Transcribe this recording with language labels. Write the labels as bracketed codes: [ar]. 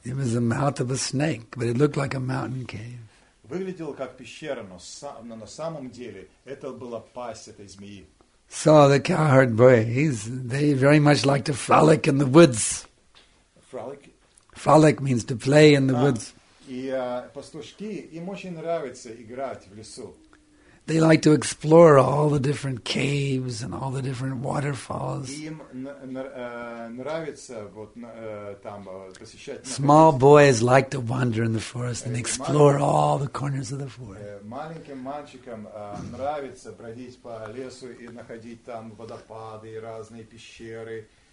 [en] It was the mouth of a snake, but it looked like a mountain cave. [ru] Выглядело как пещера, но на самом деле это была пасть этой змеи. [en] So the cowherd boys, they very much like to frolic in the woods. Frolic? Frolic means to play in the woods. [ru] И пастушки, им очень нравится играть в лесу. [en] They like to explore all the different caves and all the different waterfalls. [ru] Им нравится вот там посещать. [en] Small boys like to wander in the forest and explore all the corners of the forest. [ru] Маленьким мальчикам нравится бродить по лесу и находить там водопады и разные пещеры.